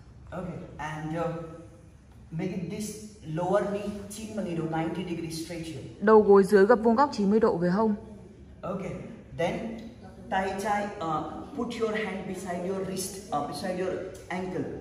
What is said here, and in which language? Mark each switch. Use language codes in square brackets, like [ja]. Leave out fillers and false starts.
[en] Okay, and make this lower knee 90 degree straight here. [vi] Đầu gối dưới gập vuông góc 90 độ về hông. [en] Okay, then [vi] tay trái [en] put your hand beside your wrist, beside your ankle.